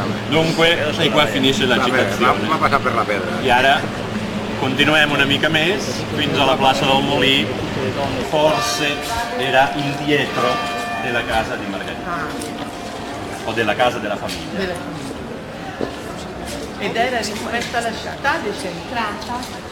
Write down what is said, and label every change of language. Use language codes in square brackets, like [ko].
[it] Dunque, i qua finisce la citazione. [ca] Va passar per la pedra. I ara continuem una mica més fins a la plaça del Molí. [it] Forse era indietro della casa di Margherita. O della casa della famiglia. Ed era rispetto alla città decentrata.